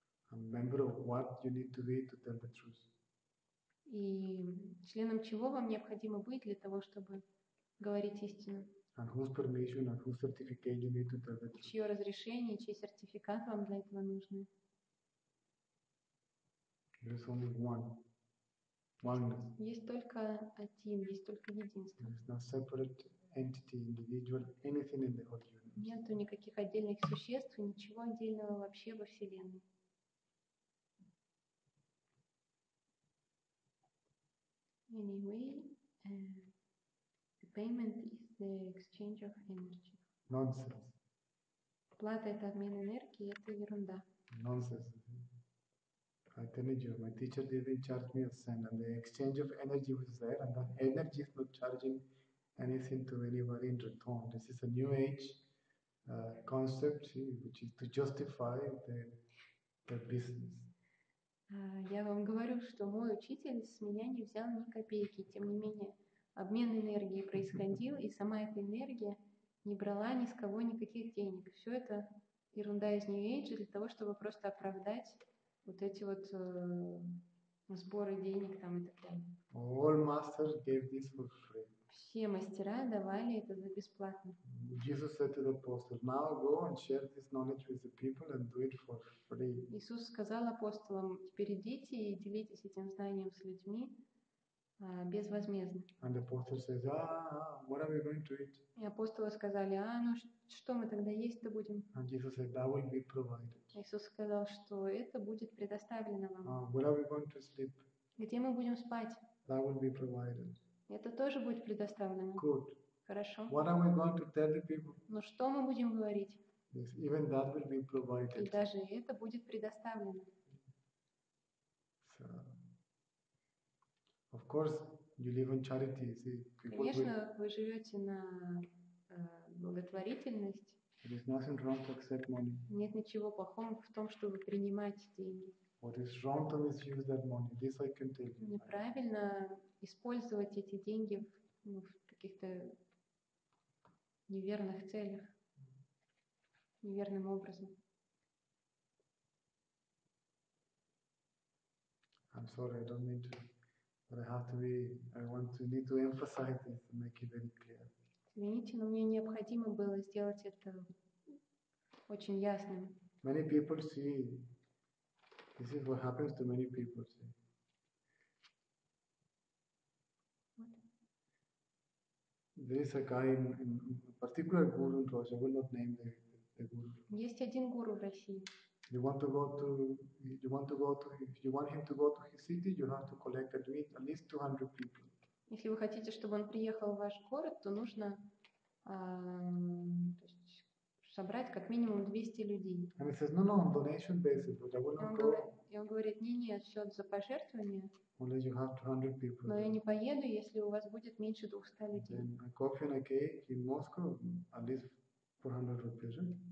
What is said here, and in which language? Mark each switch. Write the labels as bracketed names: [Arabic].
[English] Remember what you need to be to tell the truth. [Russian] И членом чего вам необходимо быть для того, чтобы говорить истину? [English] And whose permission and whose certificate you need to tell the truth. [Russian] Чье разрешение, чей сертификат вам для этого нужны? [English] There is only one. Oneness. [Russian] Есть только один, есть только единство. [English] There is no separate entity, individual, anything in the whole universe. [Russian] Нету никаких отдельных существ, ничего отдельного вообще во Вселенной. [English] Anyway, the payment is the exchange of energy. Nonsense. [Russian] Плата — это обмен энергии, это ерунда. [English] Nonsense. I tell you, my teacher didn't charge me a cent, and the exchange of energy was there, and that energy is not charging anything to anybody in return. This is a new age. Concept, which is to justify the business. [Russian] Я вам говорю, что мой учитель с меня не взял ни копейки. Тем не менее, обмен энергии происходил, и сама эта энергия не брала ни с кого никаких денег. Все это ерунда из New Age для того, чтобы просто оправдать вот эти вот сборы денег там и так далее. [English] All masters gave this for free. [Russian] Все мастера давали это за бесплатно. [English] Jesus said to the apostles, "Now go and share this knowledge with the people and do it for free." [Russian] Иисус сказал апостолам: "Теперь идите и делитесь этим знанием с людьми безвозмездно." [English] And the apostles said, what are we going to eat?" [Russian] И апостолы сказали: "А, ну что мы тогда есть-то будем?" [English] And Jesus said, "That will be provided." [Russian] Иисус сказал, что это будет предоставлено вам. [English] Where are we going to sleep?" [Russian] Где мы будем спать? [English] "That will be provided." [Russian] Это тоже будет предоставлено. [English] Good. [Russian] Хорошо. [English] What are we going to tell the people? [Russian] Но что мы будем говорить? [English] Yes, even that will be provided. [Russian] И даже это будет предоставлено. [English] So, of course, you live on charity. See, [Russian] конечно, вы живете на благотворительность. [English] There is nothing wrong to accept money. [Russian] Нет ничего плохого в том, чтобы принимать деньги. [English] What is wrong to misuse that money? This I can tell you. [Russian] Неправильно использовать эти деньги в каких-то неверных целях, неверным образом. [English] I'm sorry, I don't mean to, but I have to be, I want to need to emphasize this to make it very clear. [Russian] Извините, но мне необходимо было сделать это очень ясным. [English] Many people see, this is what happens to many people. See. There is a guy in a particular guru in Russia. I will not name the guru. [Russian] Есть один гуру в России. [English] You want him to go to his city, you have to collect at least 200 people. [Russian] Если вы хотите, чтобы он приехал в ваш город, то нужно, то есть собрать как минимум 200 людей. [English] And he says, no, no, on donation basis, but I will not go. [Russian] И он говорит, не-не, отсчет за пожертвования. [English] Unless you have 200 people. [Russian] Но я не поеду, если у вас будет меньше 200 людей. [English] Then a coffee and a cake in Moscow, at least 400 rupees, right?